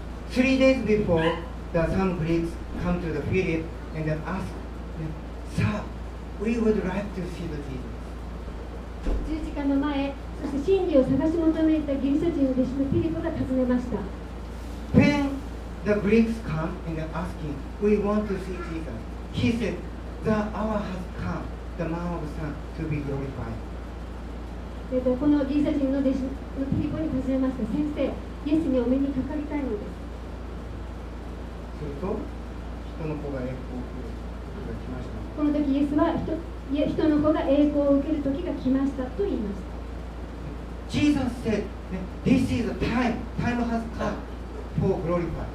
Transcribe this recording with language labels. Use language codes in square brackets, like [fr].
[en] 3 days before the some Greeks come to the Philip and ask, Sir, we would like to see the Jesus. [ja] 十字架の前、そして真理を探し求めたギリシャ人の弟子のフィリップが尋ねました。 [en] When the Greeks come and asking, we want to see Jesus, he said, the hour has come, the man of son to be glorified. [ja] このギリシャ人の弟子のピリポに尋ねました。先生、イエスにお目にかかりたいのです。すると人の子が栄光を受ける時が来ました。この時イエスは 人の子が栄光を受ける時が来ましたと言いました。 [en] Jesus said, This is time has come for glorify.